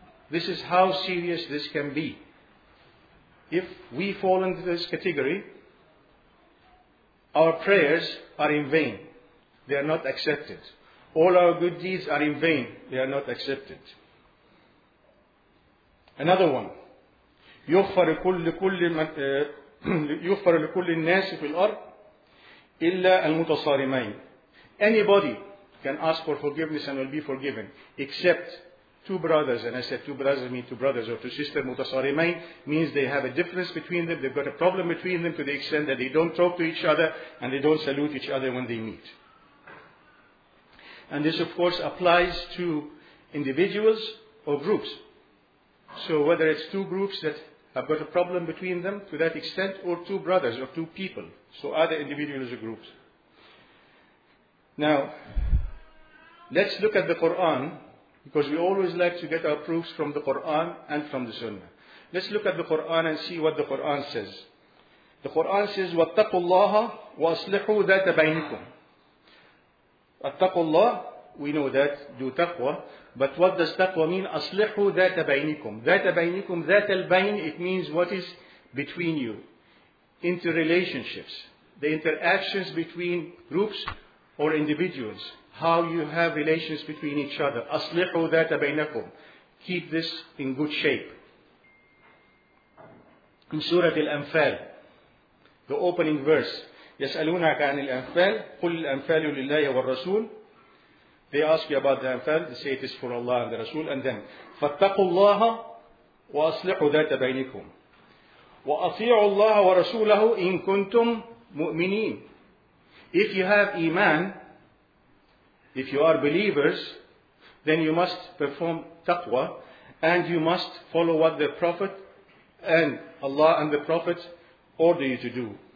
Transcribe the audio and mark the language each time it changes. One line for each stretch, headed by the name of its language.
English: This is how serious this can be. If we fall into this category, our prayers are in vain. They are not accepted. All our good deeds are in vain. They are not accepted. Another one.
Arabic: يغفر لكل يغفر لكل الناس في الأرض إلا المتصارمين.
English: Anybody can ask for forgiveness and will be forgiven, except two brothers. And I said two brothers mean two brothers or two sisters. Mutasarimain means they have a difference between them. They've got a problem between them to the extent that they don't talk to each other and they don't salute each other when they meet. And this, of course, applies to individuals or groups. So whether it's two groups that have got a problem between them to that extent or two brothers or two people. So either individuals or groups. Now, let's look at the Quran, because we always like to get our proofs from the Quran and from the Sunnah. Let's look at the Quran and see what the Quran says. The Quran says,
Arabic: وَاتَّقُوا اللَّهَ وَأَصْلِحُوا ذَاتَ بَيْنِكُمْ. اتَّقُوا اللَّهَ,
English: we know that, do taqwa. But what does taqwa mean?
Arabic: أَصْلِحُوا ذَاتَ بَيْنِكُمْ. ذَاتَ بَيْنِكُمْ, ذَاتَ الْبَيْنِ,
English: it means what is between you. Interrelationships. The interactions between groups or individuals, how you have relations between each other.
Arabic: أَصْلِحُوا ذَاتَ بَيْنَكُمْ.
English: Keep this in good shape. In Surah Al-Anfal, the opening verse,
Arabic: يَسْأَلُونَكَ عَنِ الْأَنْفَالِ قُلْ الْأَنْفَالُ لِلَّهِ وَالرَّسُولِ.
English: They ask you about the Anfal, they say it is for Allah and the Rasul, and then,
Arabic: فَاتَّقُوا اللَّهَ وَأَصْلِحُوا ذَاتَ بَيْنَكُمْ وَأَطِيعُوا اللَّهَ وَرَسُولَهُ إِن كُنْتُمْ مُؤْمِنِينَ.
English: If you have iman, if you are believers, then you must perform taqwa and you must follow what the Prophet and Allah and the Prophet order you to do.